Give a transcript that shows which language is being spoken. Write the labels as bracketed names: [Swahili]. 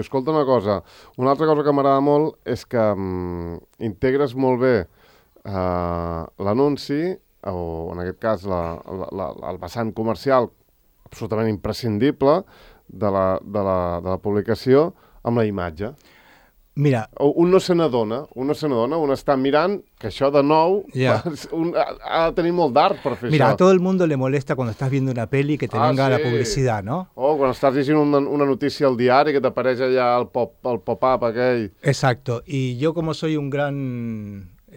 [Catalan] Escolta una cosa, una altra cosa que m'agrada molt és que integres molt bé l'anunci, o en aquest cas el vessant comercial absolutament imprescindible de la publicació, amb la imatge. Mira, un no se n'adona, un està mirant, que això de nou, yeah, ha de tenir molt d'art per fer. [Spanish] Mira, a todo el mundo le molesta cuando estás viendo una peli que te venga, sí, la publicidad, ¿no? [Catalan] O quan estàs llegint una notícia al diari que t'apareix allà el pop-up aquell. [Spanish] Exacto, y yo como soy un gran...